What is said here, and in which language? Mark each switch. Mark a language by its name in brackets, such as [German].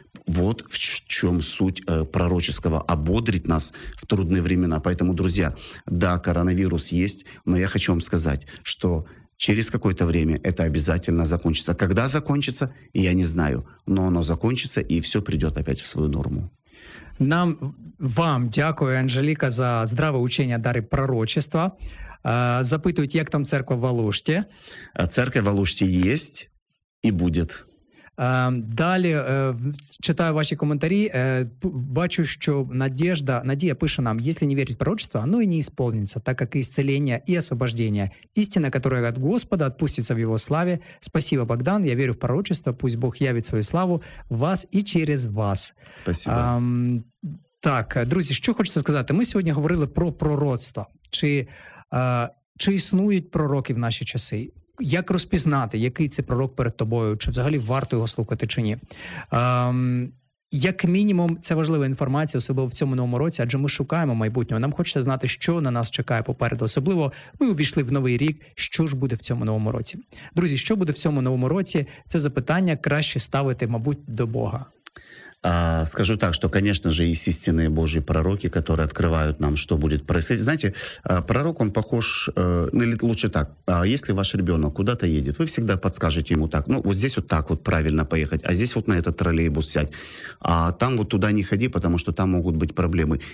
[Russian] Вот в чем суть пророческого, ободрить нас в трудные времена. Поэтому, друзья, да, коронавирус есть, но я хочу вам сказать, что через какое-то время это обязательно закончится. Когда закончится, я не знаю. Но оно закончится, и все придет опять в свою норму. [Ukrainian] Вам дякую, Анжеліка, за здраве учення дари пророчества. Запитують, як там церква в Алуште? [Russian] Церковь в Алуште есть и будет. [Ukrainian] Далі читаю ваші коментарі. Бачу, що Надія пише нам: [Russian] «Если не верить в пророчество, оно и не исполнится, так как и исцеление, и освобождение. Истина, которая от Господа, отпустится в его славе. Спасибо, Богдан, я верю в пророчество. Пусть Бог явит свою славу в вас и через вас». Спасибо. [Ukrainian] Так, друзі, що хочеться сказати? Ми сьогодні говорили про пророцтво. Чи існують пророки в наші часи? Як розпізнати, який це пророк перед тобою, чи взагалі варто його слухати, чи ні? Як мінімум, це важлива інформація, особливо в цьому новому році, адже ми шукаємо майбутнього. Нам хочеться знати, що на нас чекає попереду. Особливо ми увійшли в новий рік, що ж буде в цьому новому році. Друзі, що буде в цьому новому році? Це запитання краще ставити, мабуть, до Бога. [Russian] Скажу так, что, конечно же, есть истинные Божьи пророки, которые открывают нам, что будет происходить. Знаете, пророк, он похож, или лучше так, если ваш ребенок куда-то едет, вы всегда подскажете ему так: ну, вот здесь вот так вот правильно поехать, а здесь вот на этот троллейбус сядь, а там вот туда не ходи, потому что там могут быть проблемы.